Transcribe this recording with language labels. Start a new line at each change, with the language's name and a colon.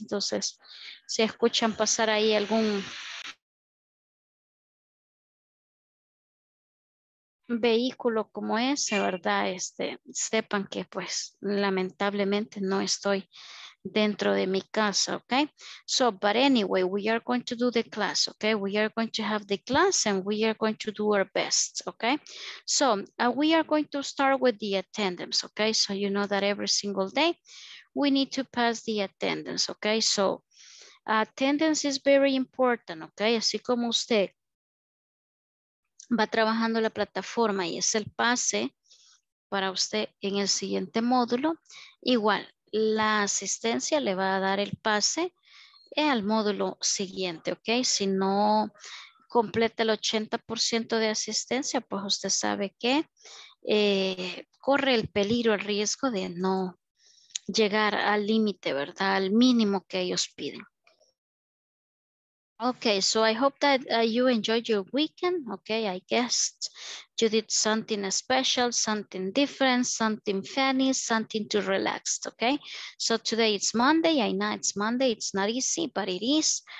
Spanish: Entonces, si escuchan pasar ahí algún vehículo como ese, ¿verdad? Sepan que, pues, lamentablemente no estoy dentro de mi casa, ¿ok?
English: So, but anyway, we are going to do the class, ¿ok? We are going to have the class and we are going to do our best, ¿ok? So, we are going to start with the attendance, ¿ok? So, you know that every single day we need to pass the attendance, ¿ok? So, attendance is very important, ¿ok?
Spanish: Así como usted va trabajando la plataforma y es el pase para usted en el siguiente módulo, igual la asistencia le va a dar el pase al módulo siguiente, ¿ok? Si no completa el 80% de asistencia, pues usted sabe que corre el peligro, el riesgo de no llegar al límite, ¿verdad? Al mínimo que ellos piden.
English: Okay, so I hope that you enjoyed your weekend. Okay, I guess you did something special, something different, something funny, something too relaxed. Okay, so today it's Monday. I know it's Monday. It's not easy, but it is.